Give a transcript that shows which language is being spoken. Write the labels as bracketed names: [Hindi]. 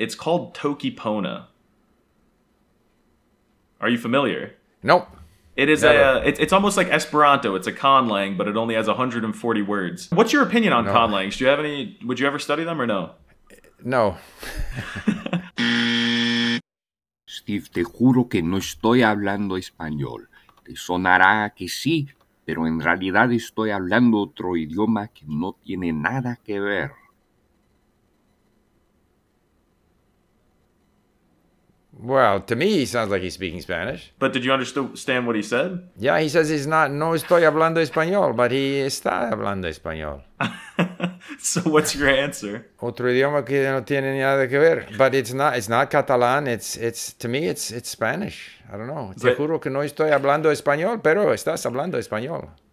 [English] It's called Tokipona. Are you familiar? Nope. It is it's almost like Esperanto. It's a conlang, but it only has 140 words. What's your opinion on conlangs? Do you have any? Would you ever study them or no? No. [Spanish] Steve, te juro que no estoy hablando español. Te sonará que sí, pero en realidad estoy hablando otro idioma que no tiene nada que ver. [English] Well, to me, he sounds like he's speaking Spanish. But did you understand what he said? Yeah, he says he's not, [Spanish] no estoy hablando español, [English] but he [Spanish] está hablando español. [English] So what's your answer? [Spanish] Otro idioma que no tiene nada que ver. [English] But it's not Catalan. It's to me, it's Spanish. I don't know. But, [Spanish] te juro que no estoy hablando español, pero estás hablando español.